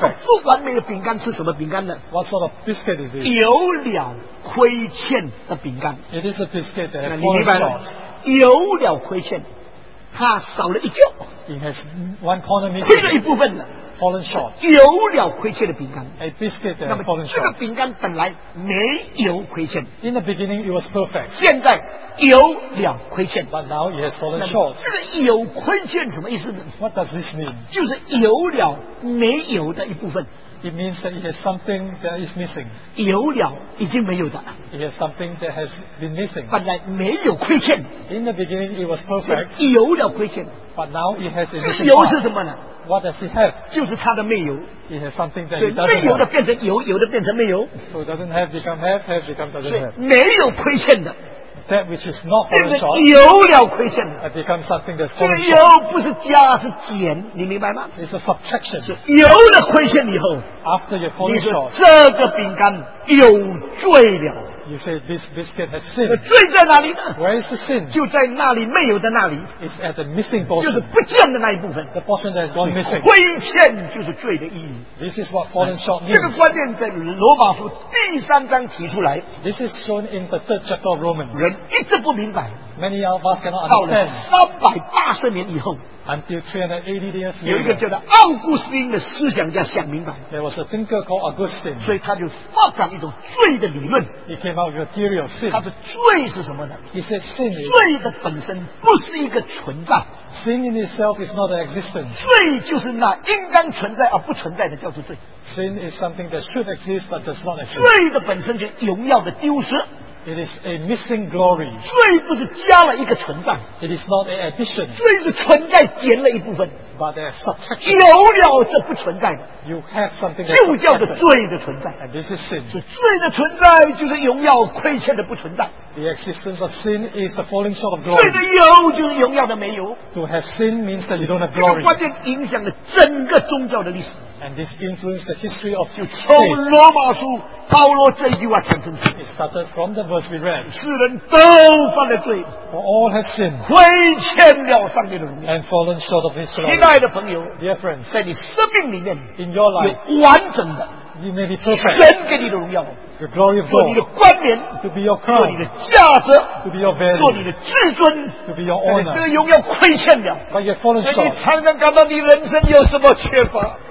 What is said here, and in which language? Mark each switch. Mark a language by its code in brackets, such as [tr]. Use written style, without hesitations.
[zh] 那么不完美的饼干是什么饼干呢 [en] What sort of biscuit is this [zh] 有了亏欠的饼干 [en] It is a biscuit that has fallen short [zh] 有了亏欠它少了一角 [en] It has one corner missing [zh] 亏了一部分了 [en] Fallen short [zh] 有了亏欠的饼干 [en] A biscuit that has fallen short [zh] 这个饼干本来没有亏欠 [en] In the beginning it was perfect [zh] 现在有了亏欠 [en] But now it has fallen short [zh] 这个有亏欠什么意思呢 [en] What does this mean [zh] 就是有了没有的一部分 [en] It means that it has something that is missing [zh] 有了已经没有的 [en] It has something that has been missing [zh] 本来没有亏欠 [en] In the beginning it was perfect [zh] 有了亏欠 [en] But now it has a missing [zh] 有是什么呢 [en] What does it have [zh] 就是它的没有 [en] It has something that it doesn't have [zh] 所以没有的变成有有的变成没有 [en] So it doesn't have become have have become doesn't have [zh] 没有亏欠的 [en] That which is not fallen short, [zh] 这个有了亏欠 [en] 的 it becomes something that's fallen short. [zh] 这个有不是加是减，你明白吗 [en] ？It's a subtraction. [zh] 有了亏欠以后 [en] ，After you're fallen short, [zh] 你说这个饼干有罪了。 [en] You say this biscuit has sinned. [zh] 罪在哪里呢 [en] ？Where is the sin? [zh] 就在那里没有的那里。 [en] It's at the missing portion. [zh] 就是不见的那一部分。 [en] The portion that has gone missing. [zh] 亏欠就是罪的意义。 [en] This is what fallen short means. [zh] 这个观念在罗马书第三章提出来。 [en] This is shown in the third chapter of Romans. [zh] 人一直不明白。 [en] Many of us cannot understand. [zh] 到了380年以后。 [en] Until 380 years later, [zh] 有一个叫做奥古斯丁的思想家想明白 [en] There was a thinker called Augustine [zh] 所以他就发展一种罪的理论 [en] He came out with a theory of sin [zh] 他的罪是什么呢 [en] He said sin is [zh] 罪的本身不是一个存在 [en] Sin in itself is not an existence [zh] 罪就是那应当存在而不存在的叫做罪 [en] Sin is something that should exist but does not exist [zh] 罪的本身就荣耀的丢失 [en] It is a missing glory [zh] 罪不是加了一个存在 [en] It is not an addition [zh] 罪是存在减了一部分 [en] But there's subtraction [zh] 有了这不存在的 [en] You have something [zh] 就叫做罪的存在 [en] And this is sin [zh] 是罪的存在就是荣耀亏欠的不存在 [en] The existence of sin is the falling short of glory [zh] 罪的有就是荣耀的没有 [en] To have sin means that you don't have glory [zh] 这个观点影响了整个宗教的历史 [en] And this influenced the history of faith. [zh] 从罗马书保罗这句话产生。 [en] It started from the verse we read. [zh] 世人都犯了罪。 [en] For all have sinned. [zh] 亏欠了上帝的荣耀。 [en] And fallen short of His glory. [zh] 亲爱的朋友 [en] ，Dear friends， [zh] 在你生命里面 [en] ，In your life， [zh] 有完整的。 [en] You may be perfect. [zh] 神给你的荣耀。 [en] The glory of God. [zh] 做你的冠冕。 [en] To be your crown. [zh] 做你的价值。 [en] To be your value. [zh] 做你的至尊。 [en] To be your honor. [zh] 这个荣耀亏欠了。 [en] But you've fallen short. [zh] 你常常感到你人生有什么缺乏。